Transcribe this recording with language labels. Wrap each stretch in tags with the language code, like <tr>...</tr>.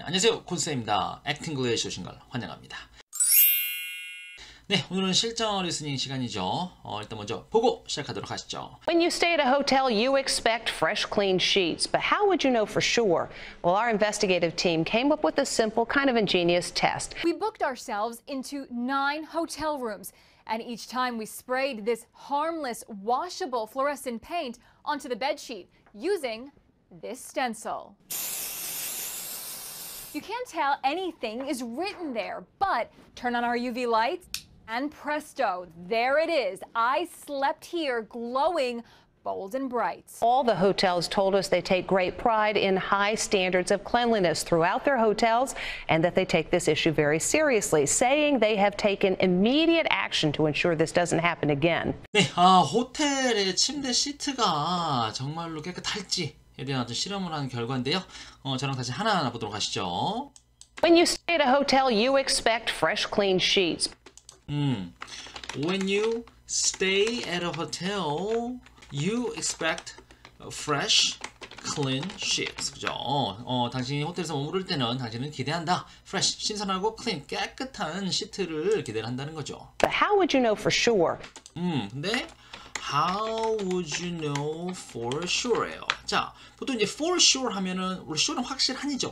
<ko>안녕하세요, 콘쌤입니다. Act English 오신 걸 환영합니다. 네, 오늘은 실전 리스닝 시간이죠. 일단 먼저 보고 시작하도록 하시죠.</ko> <en>When you stay at a hotel, you expect fresh, clean sheets. But how would you know for sure? Well, our investigative team came up with a simple, kind of ingenious test. We booked ourselves into 9 hotel rooms. And each time we sprayed this harmless, washable fluorescent paint onto the bed sheet using this stencil. You can't tell anything is written there, but turn on our UV lights and presto, there it is. I slept here glowing bold and bright. All the hotels told us they take great pride in high standards of cleanliness throughout their hotels and that they take this issue very seriously, saying they have taken immediate action to ensure this doesn't happen again.</en> <ko>네, 호텔의 침대 시트가 정말로 깨끗할지 에 대한 어떤 실험을 한 결과인데요. 저랑 다시 하나하나 보도록 하시죠.</ko> <en>When you stay at a hotel, you expect fresh, clean sheets. When you stay at a hotel, you expect fresh, clean sheets.</en> <ko>그죠? 당신이 호텔에서 머무를 때는 당신은 기대한다. Fresh, 신선하고 clean, 깨끗한 시트를 기대를 한다는 거죠.</ko> <en>But how would you know for sure?</en> <ko>근데</ko> <en>How would you know for sure</en> <ko>요? 자, 보통 이제</ko> <en>for sure</en> <ko>하면은 sure는 확실하니죠.</ko>